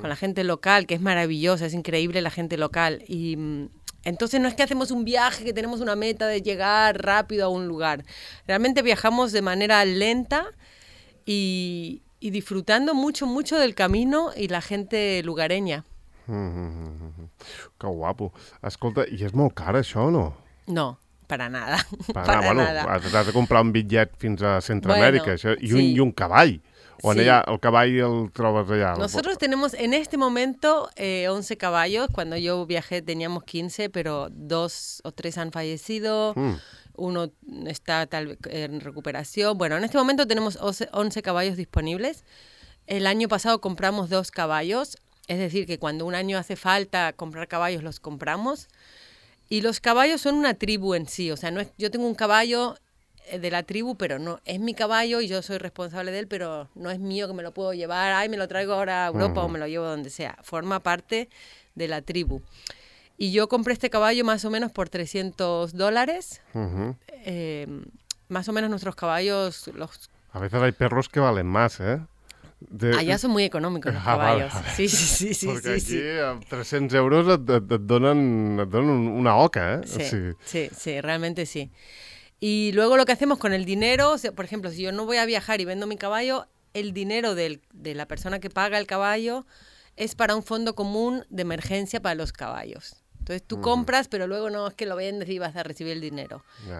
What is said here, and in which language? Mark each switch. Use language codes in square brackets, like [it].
[es] con la gente local, que es maravillosa, es increíble la gente local. Y entonces no es que hacemos un viaje, que tenemos una meta de llegar rápido a un lugar. Realmente viajamos de manera lenta y disfrutando mucho, mucho del camino y la gente lugareña. [ca] Mm-hmm. Que guapo. Escolta, ¿i és molt car això o no? [es] No, para nada. [ca] Bueno, has de comprar un bitllet fins a Centroamèrica, bueno, això, i un cavall. O en sí. Allà, el cavall el trobes allà. [es] Nosotros tenemos en este momento 11 caballos. Cuando yo viajé teníamos 15, pero dos o tres han fallecido. Uno está tal en recuperación. Bueno, en este momento tenemos 11 caballos disponibles. El año pasado compramos dos caballos. Es decir, que cuando un año hace falta comprar caballos, los compramos. Y los caballos son una tribu en sí. O sea, no es, yo tengo un caballo de la tribu, pero no es mi caballo y yo soy responsable de él, pero no es mío que me lo puedo llevar. Ay, me lo traigo ahora a Europa uh-huh. o me lo llevo donde sea. Forma parte de la tribu. Y yo compré este caballo más o menos por $300. Uh-huh. Más o menos nuestros caballos... los. A veces hay perros que valen más, ¿eh? De... [ca] Allà són molt econòmics, els caballos. Vale. Sí, sí, sí, sí. Perquè sí, aquí amb 300 euros et donen una oca, eh? Sí, o sigui... sí, sí, realment sí. [es] Y luego lo que hacemos con el dinero, o sea, por ejemplo, si yo no voy a viajar y vendo mi caballo, el dinero de la persona que paga el caballo es para un fondo común de emergencia para los caballos. Entonces tú compras, pero luego no es que lo vendes y vas a recibir el dinero. Yeah.